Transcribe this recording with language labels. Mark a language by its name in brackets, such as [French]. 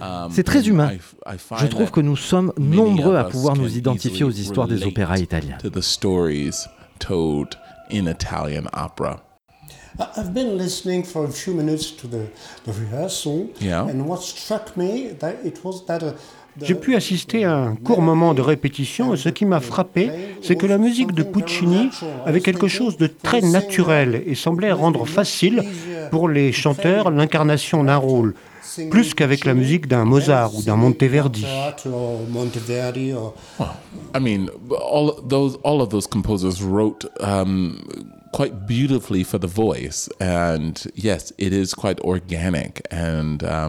[French] C'est très humain. Je trouve que nous sommes nombreux à pouvoir nous identifier aux histoires des opéras italiens. [English] To the stories told in Italian opera. I've been listening for a few minutes to the rehearsal. Yeah. And what struck me that it was that [French] j'ai pu assister à un court moment de répétition et ce qui m'a frappé, c'est que la musique de Puccini avait quelque chose de très naturel et semblait rendre facile pour les chanteurs l'incarnation d'un rôle, plus qu'avec la musique d'un Mozart ou d'un Monteverdi. [English] I mean, all of those composers wrote quite beautifully for the voice, and yes, it is quite organic, and